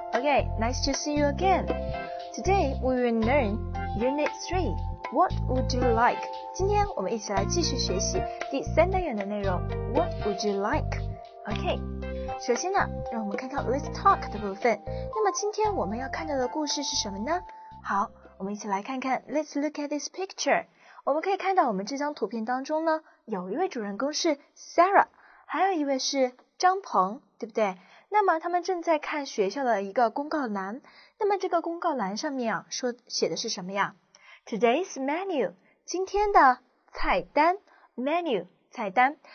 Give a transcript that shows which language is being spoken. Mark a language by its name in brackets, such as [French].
[English] Okay, nice to see you again. Today, we will learn Unit 3. What would you like? [Chinese] 今天我们一起来继续学习第三单元的内容。 [English] What would you like? Okay, [Chinese] 首先呢，让我们看看 [English] Let's Talk 的部分。 [Chinese] 那么今天我们要看到的故事是什么呢？好，我们一起来看看 [English] Let's look at this picture. [Chinese] 我们可以看到我们这张图片当中呢，有一位主人公是 Sarah, 还有一位是张鹏，对不对？那么他们正在看学校的一个公告栏，那么这个公告栏上面啊，说写的是什么呀？ [English] Today's menu, [Chinese] 今天的菜单， menu, 菜单。